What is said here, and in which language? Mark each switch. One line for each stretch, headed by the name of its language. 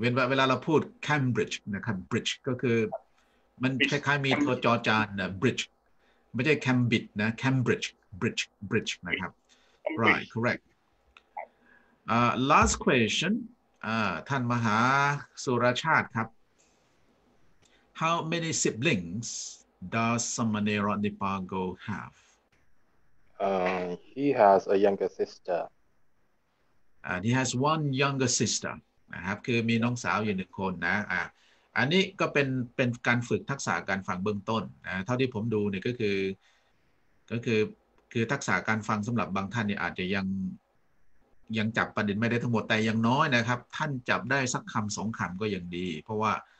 Thai: เวลาเราพูด Cambridge นะครับ bridge ก็คือมันคล้ายๆมีตัวจอจานนะ bridge ไม่ใช่ Cambit นะ Cambridge bridge นะครับ
English: right correct last question
Thai: ท่านมหาสุรชาติครับ
English: how many siblings does Samanera Nipago have he has a younger sister And he has one younger sister.
Thai: นะครับคือมีน้องสาวอยู่หนึ่งคนนะอันนี้ก็เป็นการฝึกทักษะการฟังเบื้องต้นนะเท่าที่ผมดูเนี่ยก็คือทักษะการฟังสําหรับบางท่านเนี่ยอาจจะยังจับประเด็นไม่ได้ทั้งหมดแต่อย่างน้อยนะครับท่านจับได้สักคำสองคำก็ยังดีเพราะว่า